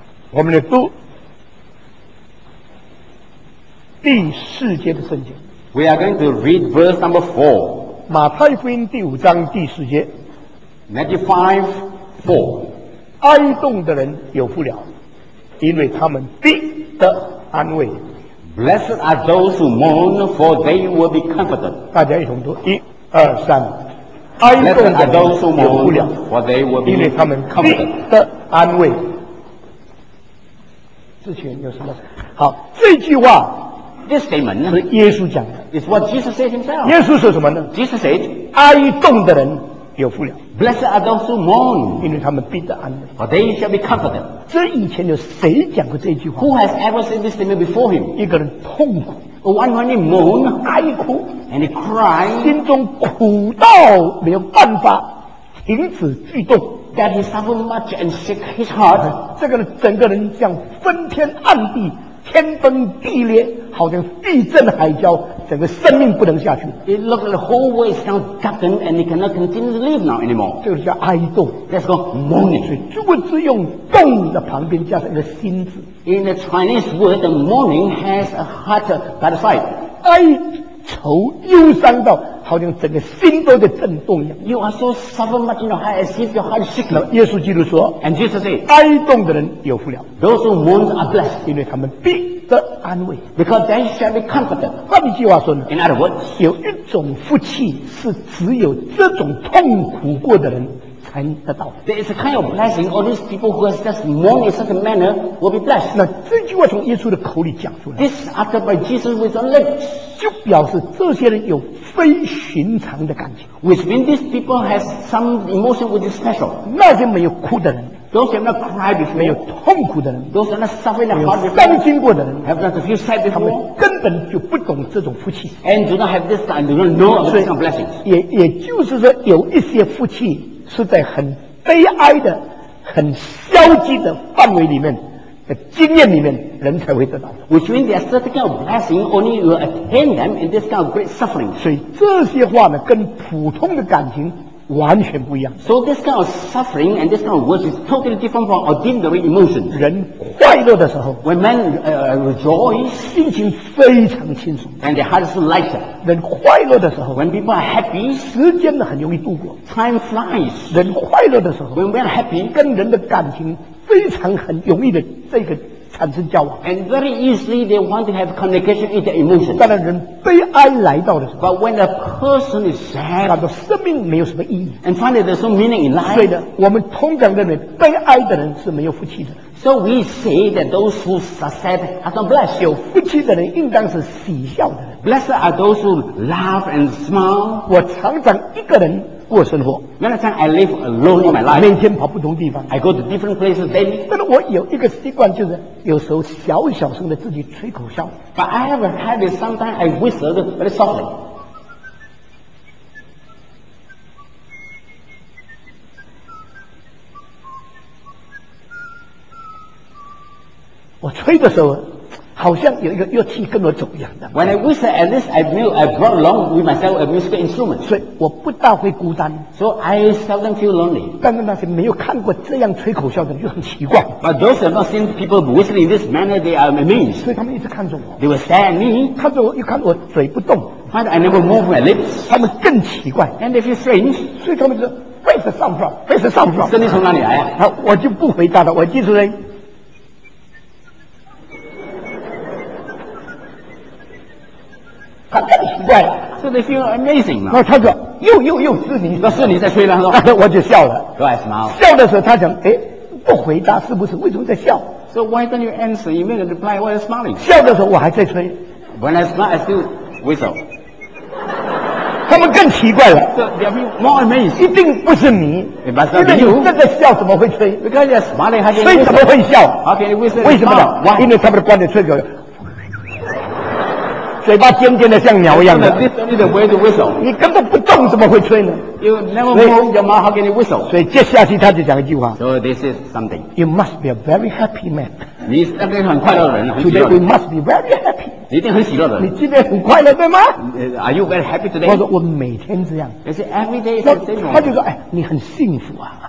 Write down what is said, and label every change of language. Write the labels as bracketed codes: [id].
[zh] 我们来读第四节的圣经 [en] We are going to read verse number 4 [zh] 马太福音第五章第四节 [en] Matthew 5:4 [zh] 哀痛的人有福了因为他们必得安慰 [en] Blessed are those who mourn for they will be comforted [zh] 大家一同读一二三哀痛的人有福了 [en] for they will be [zh] 因为他们必得安慰之前有什么好这句话 [en] This statement [zh] 是耶稣讲的 [en] It's what Jesus said himself [zh] 耶稣说什么呢 [en] Jesus said [zh] 哀痛的人有福了 [en] Blessed are those who mourn [zh] 因为他们必得安慰 [en] For they shall be comforted [zh] 这以前有谁讲过这句话 [en] Who has ever said this statement before him [zh] 一个人痛苦 [en] One when he mourn [zh] 哀哭 [en] And he cry [zh] 心中苦到没有办法停止悸动 [en] That he suffered much and shook his heart [zh] 这个人整个人像昏天暗地天崩地裂好像地震海啸整个生命不能下去 [en] It looks like the whole world is now darkened and it cannot continue to live now anymore [zh] 这个叫哀痛 [en] That's called mourning [zh] 所以如果只用动的旁边加上一个心字 [en] In the Chinese word the mourning has a heart by the side [zh] 哀愁忧伤到好像整个心都在震动一样 [en] You are so suffer much in your heart as if your heart is sick [zh] 耶稣基督说 [en] And Jesus said [zh] 哀痛的人有福了 [en] Those who mourn are blessed [zh] 因为他们必得安慰 [en] Because they shall be comforted [zh] 换一句话说呢 [en] In other words [zh] 有一种福气是只有这种痛苦过的人才得到 [en] There is a kind of blessing All these people who have just mourned in such a manner will be blessed [zh] 那这句话从耶稣的口里讲出来 [en] This uttered by Jesus with his lips [zh] 就表示这些人有非寻常的感情 [en] Which means these people have some emotion which is special [zh] 那些没有哭的人 [en] Those who have not cried before [zh] 没有痛苦的人 [en] Those who have not suffered in the heart before [zh] 没有伤心过的人 [en] Have not feel sad before [zh] 他们根本就不懂这种福气 [en] And do not have this time do not know of this kind of blessings [zh] 也就是说有一些福气是在很悲哀的很消极的范围里面的经验里面人才会得到 [en] Which means there are certain kind of blessing only you will attain them in this kind of great suffering [zh] 所以这些话呢跟普通的感情完全不一样 [en] So this kind of suffering and this kind of words is totally different from ordinary emotions [zh] 人快乐的时候 [en] When men rejoice [zh] 心情非常轻松 [en] And their hearts are lighter [zh] 人快乐的时候 [en] When people are happy [zh] 时间很容易度过 [en] Time flies [zh] 人快乐的时候 [en] When we are happy [zh] 跟人的感情非常很容易的这个产生交往 [en] And very easily they want to have communication with their emotions [zh] 当然人悲哀来到的时候 [en] But when a person is sad [zh] 感到生命没有什么意义 [en] And finally there's no meaning in life [zh] 所以呢我们通常认为悲哀的人是没有福气的 [en] So we say that those who are sad are not blessed [zh] 有福气的人应当是喜笑的人 [en] Blessed are those who laugh and smile [zh] 我常常一个人过生活 [en] When I say I live alone in my life [zh] 每天跑不同地方 [en] I go to different places daily [zh] 但是我有一个习惯就是有时候小小声的自己吹口哨 [en] But I have a habit sometimes I whistle very softly [zh] 我吹的时候好像有一个乐器跟我走一样的 [en] When I whistle at least I brought along with myself a musical instrument [zh] 所以我不大会孤单 [en] So I seldom feel lonely [zh] 但是那些没有看过这样吹口哨的人就很奇怪 [en] But those who have not seen people whistling in this manner they are amazed [zh] 所以他们一直看着我 [en] They will stare at me [zh] 看着我又看我嘴不动 [en] But I never move my lips [zh] 他们更奇怪 [en] And they feel strange [zh] 所以他们说 [en] Where is the sound from? [zh] Where is the sound from? 声音从哪里来、啊、我就不回答了我记住了对 [en] So they feel amazing [zh] 那他说又又又是你那是你在吹了那我就笑了 [en] Do I smile [zh] 笑的时候他想诶不回答是不是为什么在笑 [en] So why don't you answer You made a reply while you're smiling [zh] 笑的时候我还在吹 [en] When I smile I still whistle [zh] 他们更奇怪了 [en] So they feel more amazed [zh] 一定不是你 [en] It must not be you [zh] 因为你正在笑怎么会吹 [en] Because you're smiling [zh] 吹怎么会笑 [en] Okay whistle [zh] 为什么呢 [en] Why [zh] 因为他们的观点吹口嘴巴尖尖的像鸟一样的 [en] the way to whistle. [zh] 你根本不动怎么会吹呢 [en] You never move your mouth how can you whistle [zh] 所以接下去他就讲一句话 [en] So this is something You must be a very happy man [zh] 你是一个很快乐的人 [en] Today we must be very happy [zh] 你一定很喜乐的。你今天很快乐对吗？ [en] Are you very happy today? [zh] 我说我每天这样。 [en] I say every day is the same. [zh] 他就说，哎，你很幸福啊。